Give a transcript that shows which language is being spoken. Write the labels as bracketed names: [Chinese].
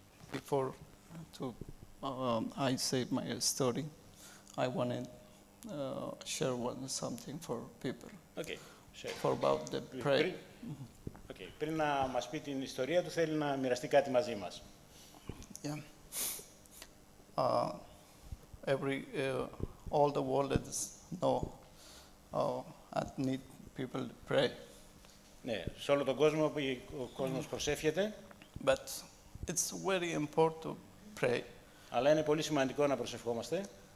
[English] Before I say my story, I want to share something for people. Okay. Share. For about the prayer. Okay. [Greek] Πριν να μας πει την ιστορία του, θέλει να μοιραστεί κάτι μαζί μας. [English] Yeah. All the world is know. I need people to pray. [Greek] Ναι, σε όλο τον κόσμο που ο κόσμος προσεύχεται. [English] But it's very important to pray. [Greek] Αλλά είναι πολύ σημαντικό να προσευχόμαστε.